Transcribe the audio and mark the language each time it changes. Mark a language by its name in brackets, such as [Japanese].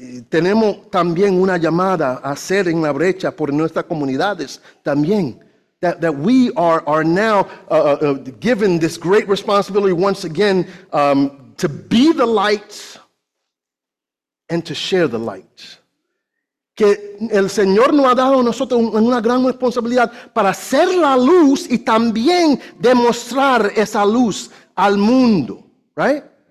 [Spanish] Tenemos también una llamada a hacer en la brecha por nuestras comunidades también. [English] That we are now given this great responsibility once again to be the light and to share the light. [Spanish] Que el Señor nos ha dado a nosotros una gran responsabilidad para ser la luz y también demostrar esa luz al mundo, right?